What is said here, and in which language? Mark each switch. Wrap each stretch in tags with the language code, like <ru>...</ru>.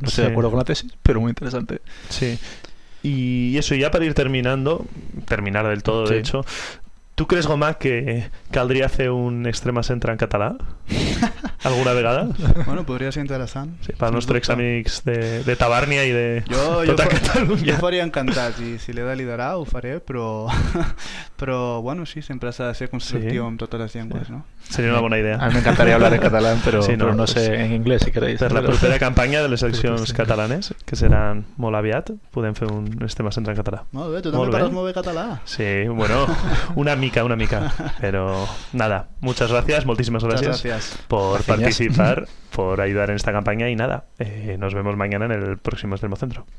<es>No estoy de acuerdo con la tesis, pero muy interesante. Sí. Y eso, ya para ir terminando, terminar del todo, de hecho, ¿Tú crees, Gomà, que caldría hacer un extrema centra en català?</es> <ca>¿Alguna vegada?</ca> <es>Bueno, podría ser interesante. Sí, para nuestro examix de Tabàrnia y de</es> <ca>tota Catalunya. Jo faria encantat, i si l'he de liderar ho faré, però bueno, sí, sempre s'ha de ser constructiu amb totes les llengües, sí. No? Seria una bona idea. A mi m'encantaria</ca> <es>hablar</es> <ca>en català, però, sí, no, però no sé sí. En anglès, si creus. Per la propera campanya de les eleccions catalanes, que seran molt aviat, podem fer un extrema centre en català. Molt bé, tu també parles molt bé català. Sí, bueno, una mica, però</ca> <es>nada, muchas gracias,</es> <ca>moltíssimes gràcies.</ca> <es>Por participar, por ayudar en esta campaña y nada, nos vemos mañana en el próximo Extremo Centro.</es>